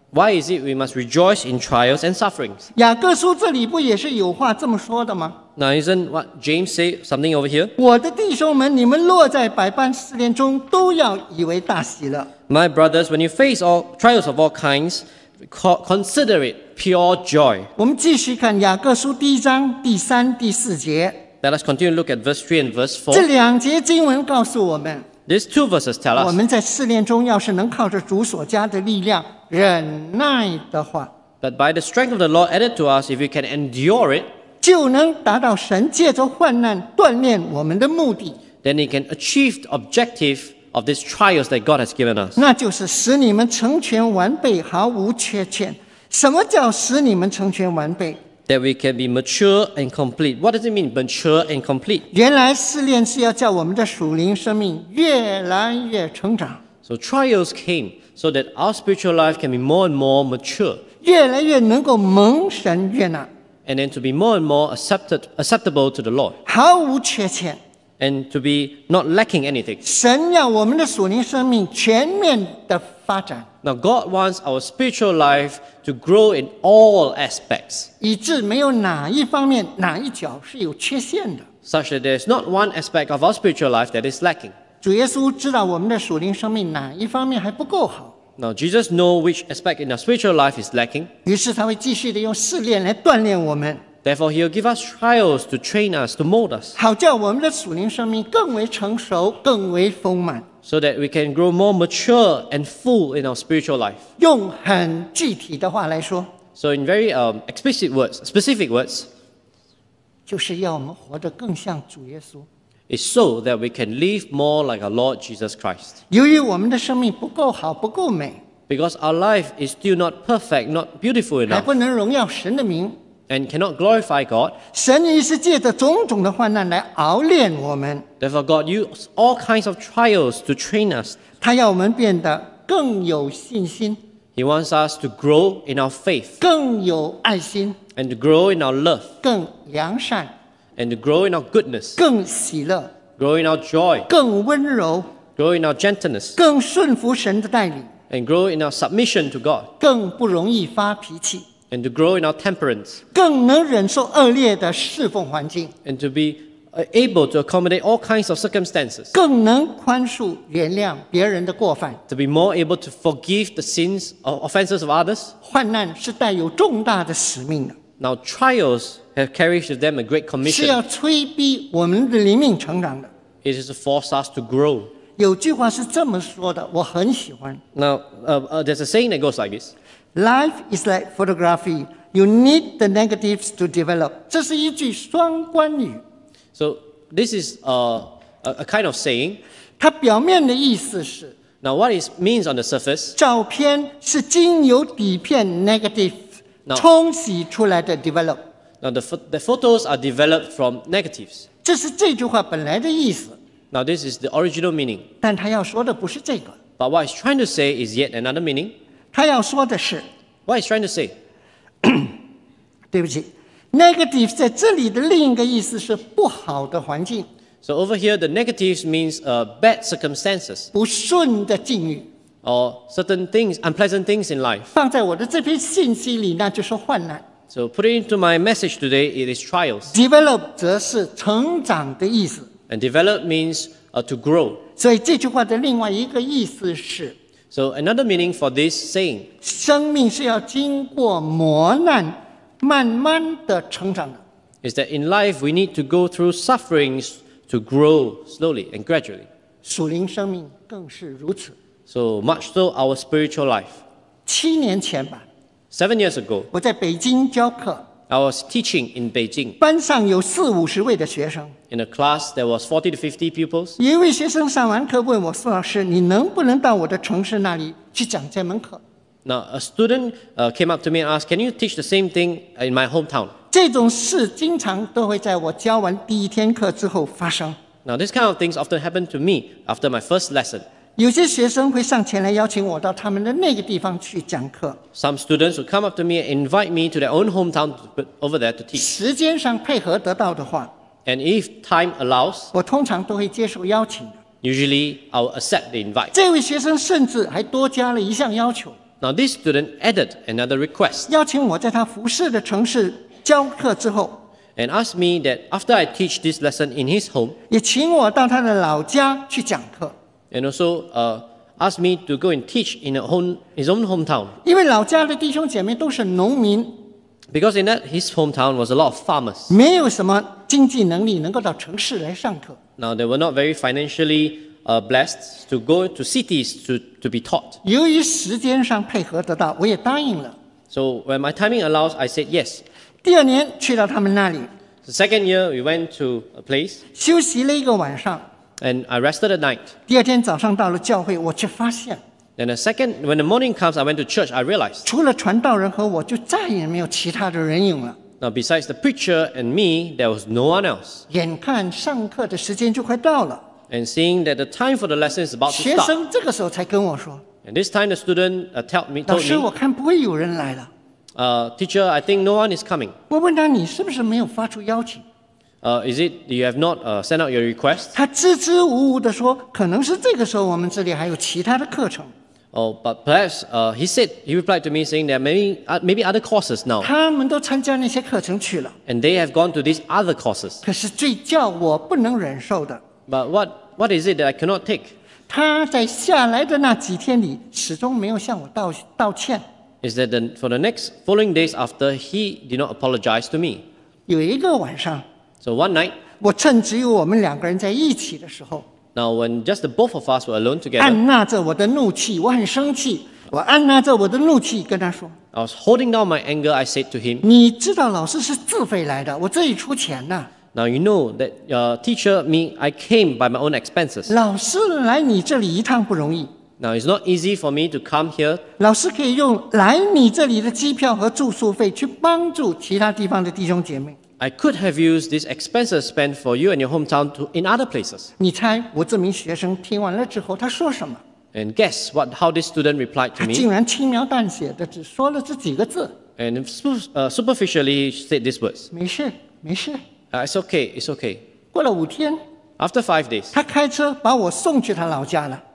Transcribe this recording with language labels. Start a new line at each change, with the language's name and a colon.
English: Why is it we must rejoice in trials and sufferings?
Chinese: 雅各书这里不也是有话这么说的吗？
English: Now isn't what James say something over here?
Chinese: 我的弟兄们，你们落在百般失恋中都要以为大喜了。
English: My brothers, when you face all trials of all kinds,Consider it pure joy.
Chinese: 我们继续看雅各书第一章第三、第四节。
English: Let us continue to look at verse 3 and verse 4.
Chinese: 这两节经文告诉我们
English: ，These two verses tell us，
Chinese: 我们在试炼中要是能靠着主所加的力量忍耐的话
English: ，But by the strength of the Lord added to us, if we can endure it，
Chinese: 就能达到神借着患难锻炼我们的目的。
English: Then he can achieve the objective of these trials that God has given us.
Chinese: 那就是使你们成全完备，毫无缺欠。什么叫使你们成全完备？
English: That we can be mature and complete. What does it mean, mature and complete?
Chinese: 原来试炼是要叫我们的属灵生命越来越成长。
English: So trials came so that our spiritual life can be more and more mature.
Chinese: 越来越能够蒙神悦纳。
English: And then to be more and more acceptable to the Lord.
Chinese: 毫无缺欠。
English: And to be not lacking anything.
Chinese: 神要我们的属灵生命全面的发展。
English: Now God wants our spiritual life to grow in all aspects.
Chinese: 以致没有哪一方面哪一角是有缺陷的。
English: Such that there is not one aspect of our spiritual life that is lacking.
Chinese: 主耶稣知道我们的属灵生命哪一方面还不够好。
English: Now Jesus knows which aspect in our spiritual life is lacking.
Chinese: 于是他会继续地用试炼来锻炼我们。
English: Therefore, He will give us trials to train us, to mold us.
Chinese: 好叫我们的属灵生命更为成熟，更为丰满。
English: So that we can grow more mature and full in our spiritual life.
Chinese: 用很具体的话来说。
English: So in very explicit words, specific words.
Chinese: 就是要我们活得更像主耶稣。
English: It's so that we can live more like our Lord Jesus Christ.
Chinese: 由于我们的生命不够好，不够美。
English: Because our life is still not perfect, not beautiful enough.
Chinese: 还不能荣耀神的名。
English: And cannot glorify God.
Chinese: 神也是借着种种的患难来熬炼我们。
English: Therefore, God used all kinds of trials to train us.
Chinese: 他要我们变得更有信心。
English: He wants us to grow in our faith.
Chinese: 更有爱心。
English: And to grow in our love.
Chinese: 更良善。
English: And to grow in our goodness.
Chinese: 更喜乐。
English: Grow in our joy.
Chinese: 更温柔。
English: Grow in our gentleness.
Chinese: 更顺服神的带领。
English: And grow in our submission to God.
Chinese: 更不容易发脾气。
English: And to grow in our temperance.
Chinese: 更能忍受恶劣的侍奉环境。
English: And to be able to accommodate all kinds of circumstances.
Chinese: 更能宽恕原谅别人的过犯。
English: To be more able to forgive the sins or offenses of others.
Chinese: 患难是带有重大的使命的。
English: Now trials have carried with them a great commission.
Chinese: 是要催逼我们的灵命成长的。
English: It is to force us to grow.
Chinese: 有句话是这么说的，我很喜欢。
English: Now, there's a saying that goes like this. Life is like photography. You need the negatives to develop.
Chinese: 这是一句双关语。
English: So this is a kind of saying.
Chinese: 它表面的意思是。
English: Now what it means on the surface?
Chinese: 照片是经由底片 negative 冲洗出来的 develop.
English: Now the photos are developed from negatives.
Chinese: 这是这句话本来的意思。
English: Now this is the original meaning.
Chinese: 但他要说的不是这个。
English: But what it's trying to say is yet another meaning.
Chinese: 他要说的是
English: What he's trying to say?
Chinese: 对不起 Negative 在这里的另一个意思是不好的环境
English: So over here the negatives means bad circumstances
Chinese: 不顺的境遇
English: Or certain things, unpleasant things in life
Chinese: 放在我的这篇信息里那就是患难
English: So put it into my message today, it is trials
Chinese: Develop 则是成长的意思
English: And develop means to grow
Chinese: 所以这句话的另外一个意思是
English: So another meaning for this saying,
Chinese: 生命是要经过磨难，慢慢的成长的。
English: Is that in life we need to go through sufferings to grow slowly and gradually.
Chinese: 属灵生命更是如此。
English: So much so our spiritual life.
Chinese: 7年前吧。
English: 7 years ago.
Chinese: 我在北京教课。
English: I was teaching in Beijing.
Chinese: 班上有40-50位的学生。
English: In a class, there was 40 to 50 pupils.
Chinese: 一位学生上完课问我孙老师：“你能不能到我的城市那里去讲这门课？”
English: Now a student came up to me and asked, "Can you teach the same thing in my hometown?"
Chinese: 这种事经常都会在我教完第一天课之后发生。
English: Now this kind of things often happen to me after my first lesson.
Chinese: 有些学生会上前来邀请我到他们的那个地方去讲课。
English: Some students would come up to me and invite me to their own hometown over there to teach.
Chinese: 时间上配合得到的话。
English: And if time allows,
Chinese: 我通常都会接受邀请的。
English: Usually, I will accept the invite.
Chinese: 这位学生甚至还多加了一项要求。
English: Now, this student added another request.
Chinese: 邀请我在他服侍的城市教课之后。
English: And asked me that after I teach this lesson in his home,
Chinese: 也请我到他的老家去讲课。
English: And also, asked me to go and teach in his own hometown.
Chinese: 因为老家的弟兄姐妹都是农民。
English: Because in that, his hometown was a lot of farmers.
Chinese: 没有什么经济能力能够到城市来上课。
English: Now, they were not very financially blessed to go to cities to be taught.
Chinese: 由于时间上配合得到，我也答应了。
English: So, when my timing allows, I said yes.
Chinese: 第二年去到他们那里。
English: The second year, we went to a place.
Chinese: 休息了一个晚上。
English: And I rested at night.
Chinese: 第二天早上到了教会，我却发现。
English: Then the second, when the morning comes, I went to church. I realized.
Chinese: 除了传道人和我，就再也没有其他的人影了。
English: Now besides the preacher and me, there was no one else.
Chinese: 眼看上课的时间就快到了。
English: And seeing that the time for the lesson is about to start.
Chinese: 学生这个时候才跟我说。
English: And this time, the student told me.
Chinese: 老师，我看不会有人来了。
English: Teacher, I think no one is coming.
Chinese: 我问他，你是不是没有发出邀请？
English: Is it you have not sent out your request?
Chinese: 他支支吾吾地说，可能是这个时候我们这里还有其他的课程。
English: Oh, but perhaps he said he replied to me saying there are maybe other courses now.
Chinese: 他们都参加那些课程去了。
English: And they have gone to these other courses.
Chinese: 可是最叫我不能忍受的。
English: But what is it that I cannot take?
Chinese: 他在下来的那几天里，始终没有向我道歉。
English: Is that for the next following days after he did not apologize to me?
Chinese: 有一个晚上。
English: So one night,
Chinese: 我趁只有我们两个人在一起的时候。
English: Now when just the both of us were alone together,
Chinese: 按捺着我的怒气，我很生气。我按捺着我的怒气跟他说。
English: I was holding down my anger. I said to him,
Chinese: 你知道老师是自费来的，我自己出钱的。
English: Now you know that teacher me, I came by my own expenses.
Chinese: 老师来你这里一趟不容易。
English: Now it's not easy for me to come here.
Chinese: 老师可以用来你这里的机票和住宿费去帮助其他地方的弟兄姐妹。
English: I could have used these expenses spent for you and your hometown to in other places.
Chinese: 你猜我这名学生听完了之后他说什么？
English: And guess what? How this student replied to me?
Chinese: 他竟然轻描淡写的只说了这几个字。
English: And superficially said these words.
Chinese: 没事，没事。
English: It's okay, it's okay.
Chinese: 过了五天。
English: After 5 days.
Chinese: 他开车把我送去他老家了。